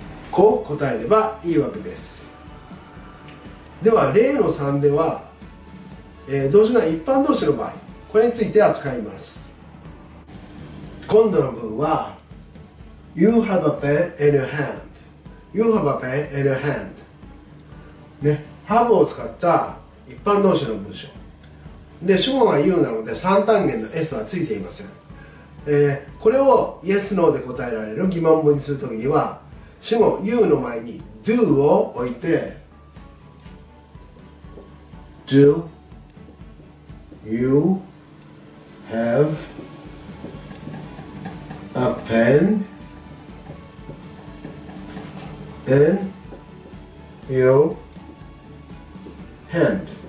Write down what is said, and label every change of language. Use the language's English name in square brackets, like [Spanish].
[Japanese] こう答えればいいわけです。では例の3では、動詞が一般動詞の場合、これについて扱います。今度の文は [English] You have a pen in your hand. You have a pen in your hand. [Japanese] ね、have を使った一般動詞の文章。で主語が言うなので三単元の S はついていません。これを Yes, No で答えられる疑問文にするときには、主語 You の前に Do を置いて [English] Do you have a pen in your hand?